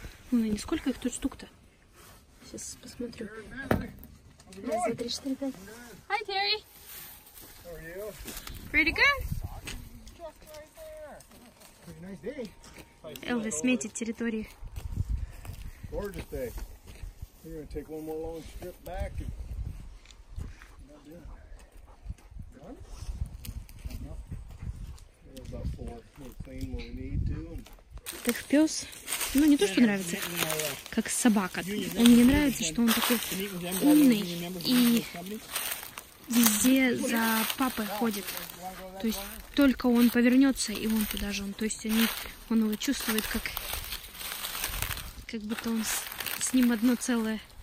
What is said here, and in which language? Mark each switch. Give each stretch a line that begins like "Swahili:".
Russian: Ну, не сколько их тут штук-то? Сейчас посмотрю. Раз, два, три, четыре, пять.
English: Hi, Terry. How are you? Pretty good.
Russian: Элвис метит территории.
English: Gorgeous day. We're going to take one more long strip back. And... Done? Enough. We have about four. We'll clean when we need to.
Russian: Это их пёс. Ну, не то, что нравится, как собака. Он мне нравится, что он такой умный и везде за папой ходит. То есть только он повернётся, и он туда же. То есть он его чувствует, как будто он с ним одно целое.